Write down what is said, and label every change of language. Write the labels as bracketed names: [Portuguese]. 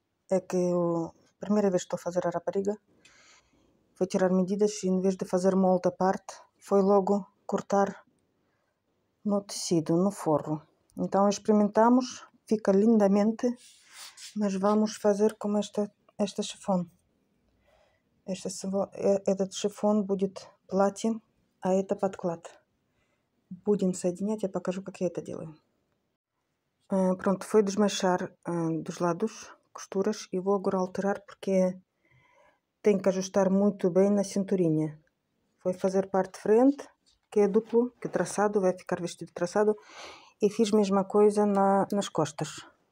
[Portuguese] É que eu, primeira vez que estou a fazer a rapariga, foi tirar medidas e, em vez de fazer uma outra parte, foi logo cortar no tecido, no forro. Então, experimentamos, fica lindamente, mas vamos fazer como esta chifão. Esta chifão [Russian] будет платье, а это подклад. Будем соединять, я покажу, как я это делаю. [Portuguese] Pronto, foi desmanchar dos lados, costuras, e vou agora alterar porque tenho que ajustar muito bem na cinturinha. Foi fazer parte frente, que é duplo, que é traçado, vai ficar vestido traçado, e fiz mesma coisa nas costas.